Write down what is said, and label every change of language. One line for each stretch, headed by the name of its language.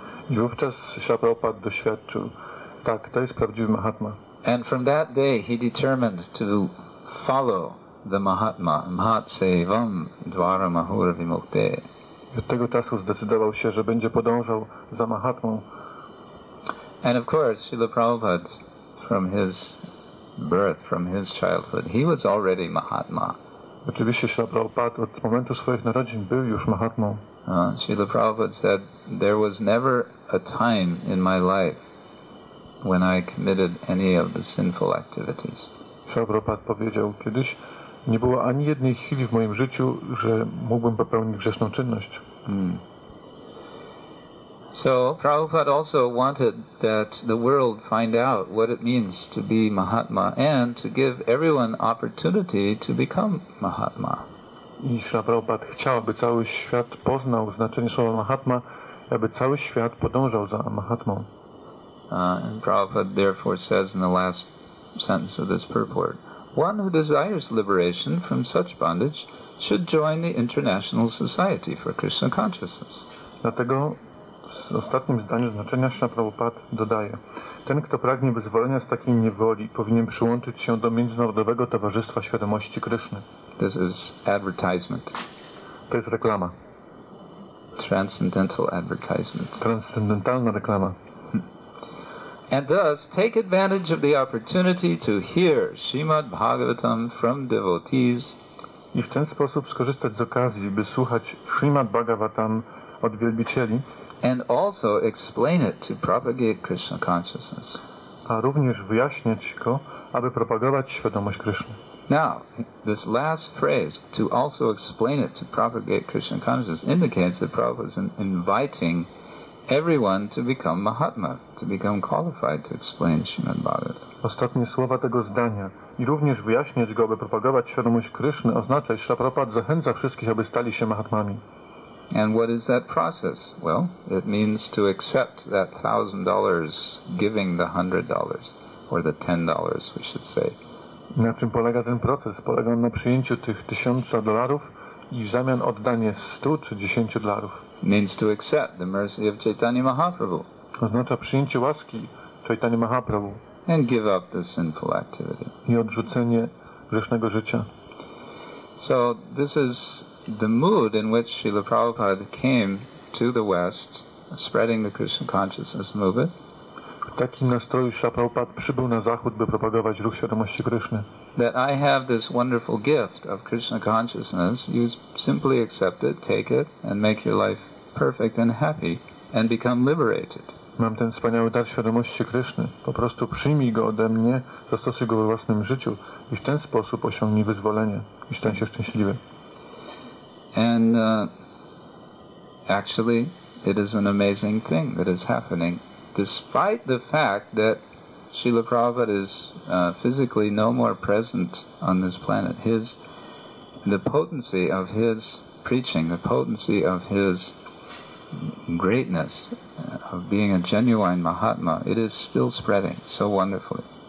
Polish: I wówczas Śrīla Prabhupāda doświadczył, Tak, to jest prawdziwy Mahatma.
English: And from that day he determined to follow the Mahatma,
Sanskrit: Mahatsevam Dvara Mahura Vimukte.
Polish: Od tego czasu zdecydował się, że będzie podążał za Mahatmą.
English: And of course, Srila Prabhupada, from his birth, from his childhood, he was already Mahatma.
Polish: Oczywiście Srila Prabhupada od momentu swoich narodzin był już Mahatmą.
English: Srila Prabhupada said, there was never a time in my life when I committed any of the sinful activities.
Polish: Srila Prabhupada powiedział kiedyś, nie było ani jednej chwili w moim życiu, że mógłbym popełnić grzeszną czynność.
English: So Prabhupada also wanted that the world find out what it means to be Mahatma and to give everyone opportunity to become Mahatma.
Polish: I Śrīla Prabhupada chciał, aby cały świat poznał znaczenie słowa Mahatma, aby cały świat podążał za Mahatmą.
English: And Prabhupada therefore says in the last sentence of this purport, one who desires liberation from such bondage should join the International Society for Krishna Consciousness.
Polish: Dlatego w ostatnim zdaniu znaczenia Śrīla Prabhupada dodaje, ten, kto pragnie wyzwolenia z takiej niewoli, powinien przyłączyć się do Międzynarodowego Towarzystwa Świadomości Kryszny.
English: This is advertisement.
Polish: To jest reklama.
English: Transcendental advertisement.
Polish: Transcendentalna reklama.
English: And thus, take advantage of the opportunity to hear Srimad Bhagavatam from devotees.
Polish: I w ten sposób skorzystać z okazji, by słuchać Srimad Bhagavatam od wielbicieli.
English: And also explain it to propagate Krishna consciousness.
Polish: A również wyjaśniać go, aby propagować świadomość Kryszny.
English: Now, this last phrase, to also explain it to propagate Krishna consciousness, indicates that Prabhupada is inviting everyone to become Mahatma, to become qualified to explain Srimad Bhagavatam.
Polish: Ostatnie słowa tego zdania, i również wyjaśniać go, aby propagować świadomość Kryszny, oznacza, że Prabhupada zachęca wszystkich, aby stali się Mahatmami.
English: And what is that process? Well, it means to accept that $1,000, giving the $100, or the $10, we should say.
Polish: Na czym polega ten proces? Polega on na przyjęciu tych $1,000 i w zamian oddanie $100 czy $10.
English: Means to accept the mercy of Chaitanya Mahaprabhu.
Polish: Oznacza przyjęcie łaski Chaitanya Mahaprabhu.
English: And give up the sinful activity.
Polish: I odrzucenie grzesznego życia.
English: So this is the mood in which Srila Prabhupada came to the West, spreading the Krishna consciousness movement.
Polish: W takim nastroju Srila Prabhupada przybył na Zachód, by propagować ruch świadomości Kryszny.
English: That I have this wonderful gift of Krishna consciousness, you simply accept it, take it, and make your life perfect and happy, and become liberated.
Polish: Mam ten wspaniały dar świadomości Kryszny. Po prostu przyjmij go ode mnie, zastosuj go we własnym życiu i w ten sposób osiągnij wyzwolenie i stań się szczęśliwy.
English: And actually, it is an amazing thing that is happening, despite the fact that Srila Prabhupada is physically no more present on this planet. The potency of his preaching, the potency of his greatness, of being a genuine Mahatma, it is still spreading so wonderfully.